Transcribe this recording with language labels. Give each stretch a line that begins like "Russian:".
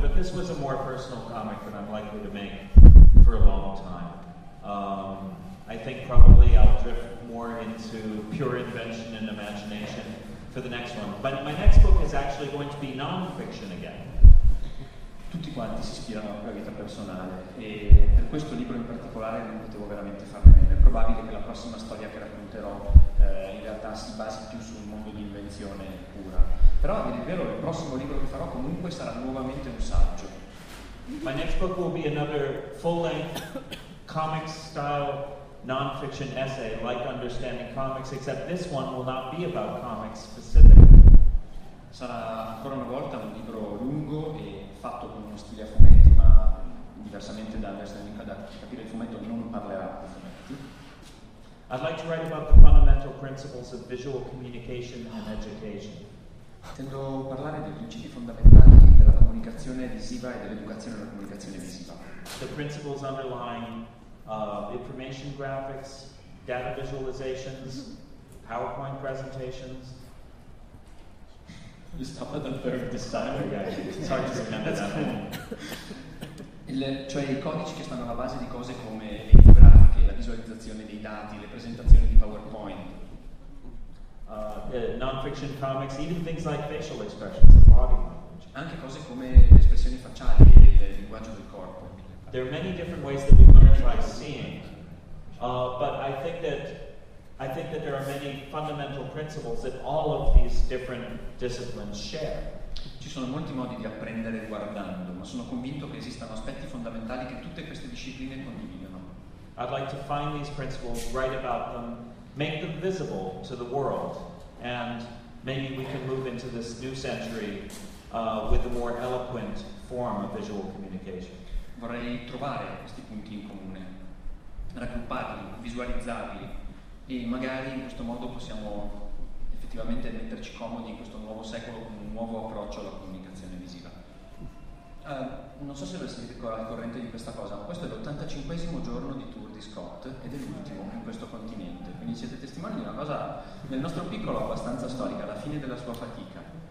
English: But this was a more personal comic than I'm likely to make for a long time. I think probably I'll drift more into pure invention and imagination for the next one. But my next book is actually going to be non-fiction again.
Italian: Tutti quanti si ispirano alla vita personale, e per questo libro in particolare non potevo veramente farne meno. È probabile che la prossima storia che racconterò in realtà si basi più su un mondo di invenzione pura. Però, a dire il vero, il prossimo libro che farò comunque sarà nuovamente un saggio.
English: My next book will be another full-length comic-style non-fiction essay, like Understanding Comics, except this one will not be about comics specifically.
Italian: Sarà ancora una volta un libro lungo e fatto con uno stile a fumetti, ma diversamente da Understanding, da capire il fumetto non parlerà di fumetti.
English: I'd like to write about the fundamental principles of visual communication and education.
Italian: Tendo a parlare dei principi fondamentali della comunicazione visiva e dell'educazione della comunicazione visiva.
English: The principles underlying information graphics, data visualizations, PowerPoint presentations. You stop at the third designer guy. It's hard to remember that.
Italian: Cioè i codici che stanno alla base di cose come le infografiche, la visualizzazione dei dati, le presentazioni di PowerPoint.
English: Non-fiction comics, even things like facial expressions, the body language.
Italian: Anche cose come le espressioni facciali e il linguaggio del corpo.
English: There are many different ways that we learn by seeing, but I think that there are many fundamental principles that all of these different disciplines share.
Italian: Ci sono molti modi di apprendere guardando, ma sono convinto che esistano aspetti fondamentali che tutte queste discipline condividono.
English: I'd like to find these principles, write about them, make them visible to the world, and maybe we can move into this new century with a more eloquent form of visual communication.
Italian: Vorrei trovare questi punti in comune, raggrupparli, visualizzarli, e magari in questo modo possiamo effettivamente metterci comodi in questo nuovo secolo con un nuovo approccio alla comunicazione visiva. Non so se lo siete al corrente di questa cosa, ma questo è l'85esimo giorno di tour di Scott ed è l'ultimo in questo continente, quindi siete testimoni di una cosa nel nostro piccolo abbastanza storica, la fine della sua fatica.